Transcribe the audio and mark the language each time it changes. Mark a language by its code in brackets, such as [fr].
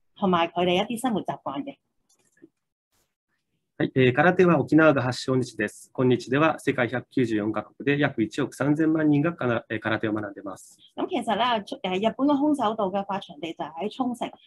[yue] 同埋佢哋一啲生活習慣嘅。 [ja] はい、空手は沖縄が発祥の地です。今日では世界194カ国で約1億3000万人が空手を学んでます。 [yue] 咁其實咧，日本嘅空手道嘅發祥地就喺沖繩。